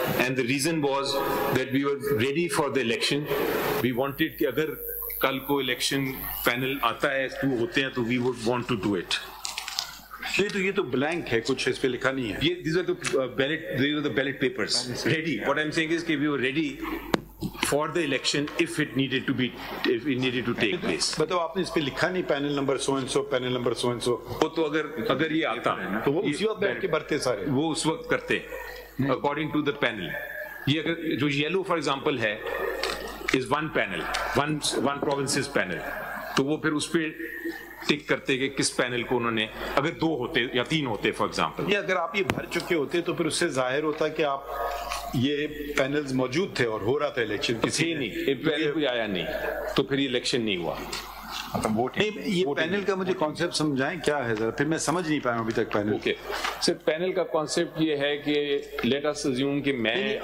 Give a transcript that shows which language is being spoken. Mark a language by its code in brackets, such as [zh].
[en] And the reason was that we were ready for the election. We wanted [ur] ki agar kal ko election panel aata hai, two hote hain, [en] to we would want to do it. [ur] تو یہ تو blank ہے, کچھ اس پہ لکھا نہیں ہے. [en] These are the ballot papers ready. What I'm saying is we were ready for the election if it needed to take place. [ur] بتاؤ آپ نے اس پہ لکھا نہیں panel number so and so, panel number so and so. وہ تو اگر یہ آتا تو وہ اسی وقت بیٹھ کے بھرتے سارے, وہ اس وقت کرتے [en] According to the panel. [ur] یہ اگر جو یلو فار ایگزامپل ہے [en] is one panel, one provinces panel, [ur] تو وہ پھر اس پہ ٹک کرتے کہ کس پینل کو انہوں نے, اگر دو ہوتے یا تین ہوتے فار ایگزامپل, یا اگر آپ یہ بھر چکے ہوتے تو پھر اس سے ظاہر ہوتا کہ آپ یہ پینلز موجود تھے اور ہو رہا تھا الیکشن, کسی نہیں آیا نہیں تو پھر یہ الیکشن نہیں ہوا. یہ پینل کا مجھے کانسیپٹ سمجھائیں کیا ہے ذرا, پھر میں سمجھ نہیں پایا ابھی تک پینل. اوکے سر, پینل کا کانسیپٹ یہ ہے کہ [en] let us assume [ur] کہ میں